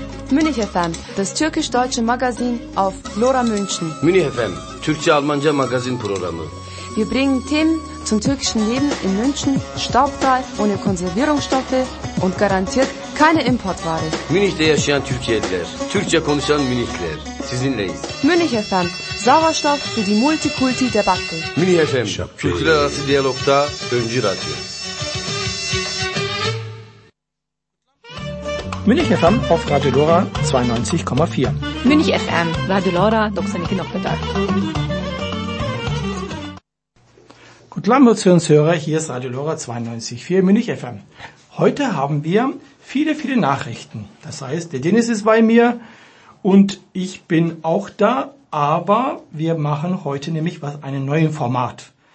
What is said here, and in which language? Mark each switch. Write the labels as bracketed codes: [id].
[de] Münih FM, das türkisch-deutsche Magazin auf Lora München. [tr] Münih FM, Türkçe-Almanca Magazin Programme. [de] Wir bringen Themen zum türkischen Leben in München, staubfrei, ohne Konservierungsstoffe und garantiert keine Importware. [tr] Münih'te yaşayan Türkiye'liler, Türkçe konuşan Münihler, sizinleyiz. [de] Münih FM, Sauerstoff für die Multikulti-Debatte. [tr] Münih FM, Kültürel Arası Diyalog'da Öncü Radyo. [de] Münich FM auf Radio Lora 92,4. [tr] Münich FM, Radio Lora, Doksan Iki Noktadar. [de] Guten Abend, liebe Hörer, hier ist Radio Lora 92,4 Münich FM. Heute haben wir viele, viele Nachrichten. Das heißt, der Dennis ist bei mir und ich bin auch da, aber wir machen heute nämlich einen neuen Format.